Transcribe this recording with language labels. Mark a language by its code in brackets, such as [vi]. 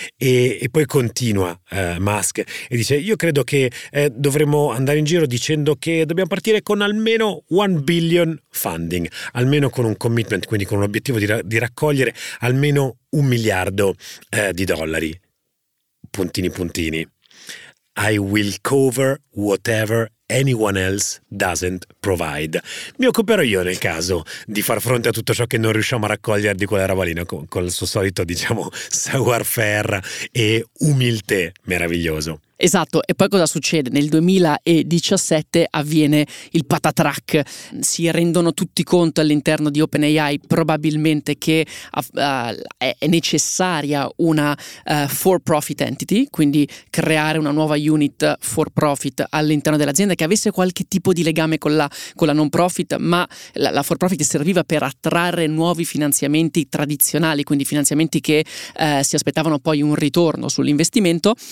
[it] E poi continua Musk e dice: io credo che dovremmo andare in giro dicendo che dobbiamo partire con almeno [en] 1 billion funding, [it] almeno con un commitment, quindi con un obiettivo di raccogliere almeno un miliardo di dollari. Puntini puntini. [en] I will cover whatever anyone else doesn't provide. [it] Mi occuperò io nel caso di far fronte a tutto ciò che non riusciamo a raccogliere di quella roba lì, no? Con il suo solito, diciamo, savoir-faire e umiltà meraviglioso. Esatto, e poi cosa succede? Nel 2017 avviene il patatrac, si rendono tutti conto all'interno di OpenAI probabilmente che è necessaria una for profit entity, quindi creare una nuova unit for profit all'interno dell'azienda che avesse qualche tipo di legame con la non profit, ma la for profit serviva per attrarre nuovi finanziamenti tradizionali, quindi finanziamenti che si aspettavano poi un ritorno sull'investimento.